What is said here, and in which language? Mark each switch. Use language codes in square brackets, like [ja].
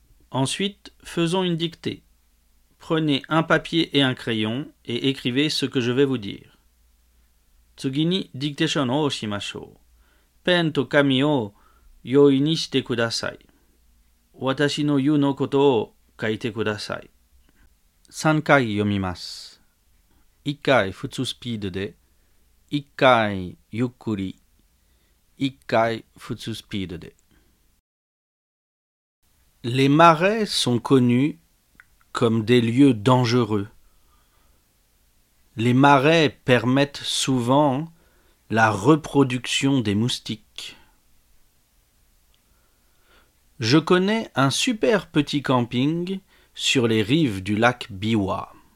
[fr] Ensuite, faisons une dictée. Prenez un papier et un crayon et écrivez ce que je vais vous dire. [ja] 次にディクテーションをしましょう。ペンと紙を用意にしてください。私の言うのことを書いてください。3回読みます。 1回普通スピードで、1回ゆっくり、1回普通スピードで。 [fr] Les marais sont connus comme des lieux dangereux. Les marais permettent souvent la reproduction des moustiques. Je connais un super petit camping sur les rives du lac Biwa.